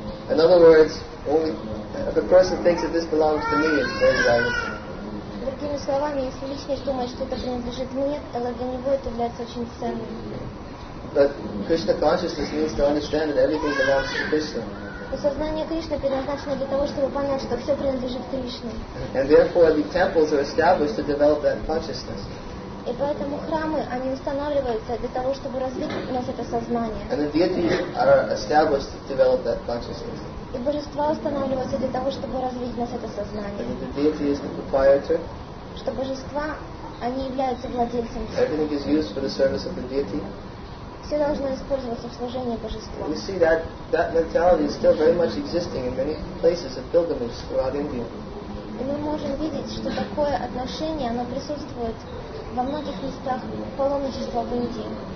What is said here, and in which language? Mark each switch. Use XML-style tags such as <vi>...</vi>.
<en>In other words, only if a person thinks that this belongs to me, it's very valuable.</en> <ru>Другими словами, если личность думает, что это принадлежит мне, то для него это является очень ценным.</ru> <en>But Krishna consciousness needs to understand that everything belongs to Krishna.</en> <ru>И сознание Кришны предназначено для того, чтобы понять, что все принадлежит Кришне.</ru> <en>And therefore the temples are established to develop that consciousness.</en> <ru>И поэтому храмы, они устанавливаются для того, чтобы развить у нас это сознание.</ru> <en>And the deities are established to develop that consciousness.</en> <ru>И божества устанавливаются для того, чтобы развить у нас это сознание.</ru> <en>And the deity is the proprietor.</en> <ru>Что божества, они являются владельцем.</ru> <en>Everything is used for the service of the deity.</en> <ru>Все должно использоваться в служении божества.</ru> <en>We see that that mentality is still very much existing in many places of pilgrimage throughout India.</en> <ru>И мы можем видеть, что такое отношение, оно присутствует во многих местах паломничества в Индии.</ru>